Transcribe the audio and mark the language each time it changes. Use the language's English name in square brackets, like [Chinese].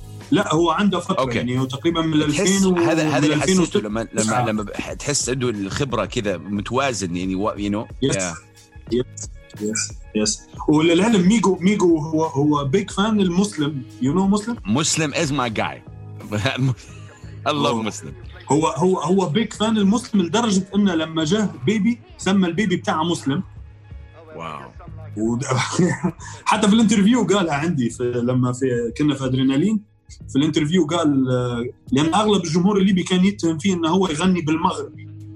[Arabic] لا هو عنده فترة okay. يعني هو تقريبا من 2000 هذا اللي حسيته لما تحس عنده الخبرة كذا متوازن يعني [English] you know yes. Yeah. Yes. Yes. [Arabic] وللعلم ميجو هو [English] big fan [Arabic] المسلم. [English] You know مسلم؟ مسلم is my guy. I love مسلم. [Arabic] هو [English] big fan [Arabic] المسلم لدرجة إنه لما جاء بيبي سمى البيبي بتاعه مسلم. واو. حتى في الانترفيو قالها عندي لما كنا في أدرينالين في الانترفيو قال لأن أغلب الجمهور الليبي كان يتهم فيه إنه هو يغني بالمغرب.